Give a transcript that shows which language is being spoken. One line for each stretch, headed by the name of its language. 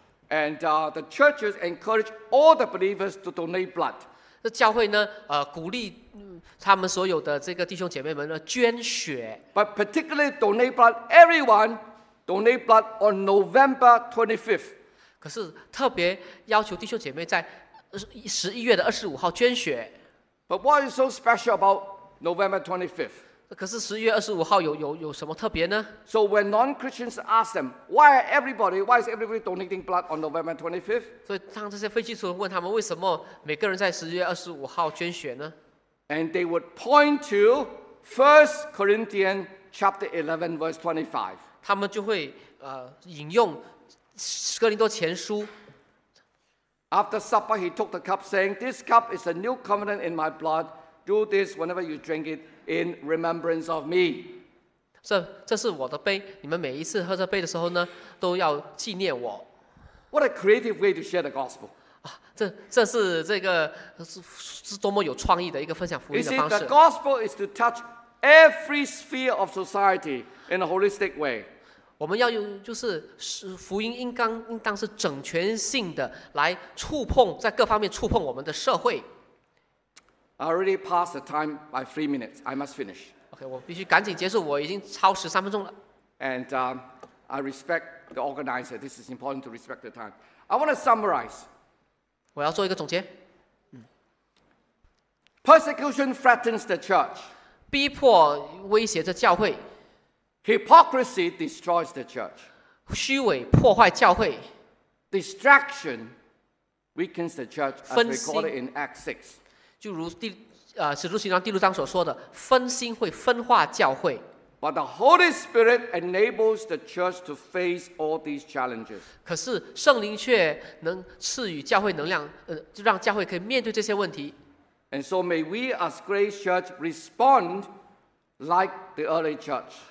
English: And the churches encourage all the believers to donate blood.
Chinese: 这教会呢，鼓励他们所有的这个弟兄姐妹们呢捐血。
English: But particularly donate blood, everyone donate blood on November 25th.
Chinese: 可是特别要求弟兄姐妹在11月25号捐血。
English: But what is so special about November 25th?
Chinese: 可是十一月二十五号有什么特别呢
English: ？So when non-Christians ask them, why is everybody donating blood on November 25th?
Chinese: 所以当这些非基督徒问他们为什么每个人在十一月二十五号捐血呢
English: ？And they would point to 1 Corinthians chapter 11 verse 25.
Chinese: 他们就会引用哥林多前书。
English: After supper, he took the cup, saying, "This cup is a new covenant in my blood. Do this whenever you drink it in remembrance of me."
Chinese: 这是我的杯，你们每一次喝这杯的时候呢，都要纪念我。
English: What a creative way to share the gospel.
Chinese: 这是这个 是多么有创意的一个分享福音的方式。
English: You see, the gospel is to touch every sphere of society in a holistic way.
Chinese: 我们要用就是福音应当是整全性的来触碰，在各方面触碰我们的社会。
English: I already passed the time by 3 minutes. I must finish.
Chinese: Okay, 我必须赶紧结束，我已经超13分钟了。
English: And I respect the organizer. This is important to respect the time. I want to summarize.
Chinese: 我要做一个总结。
English: Persecution threatens the church.
Chinese: 逼迫威胁着教会。
English: Hypocrisy destroys the church.
Chinese: 虚伪破坏教会。
English: Distraction weakens the church, as recorded in Acts 6.
Chinese: 就如使徒行传第六章所说的，分心会分化教会。
English: But the Holy Spirit enables the church to face all these challenges.
Chinese: 可是圣灵却能赐予教会能量，就让教会可以面对这些问题。
English: And so may we as Grace Church respond like the early church.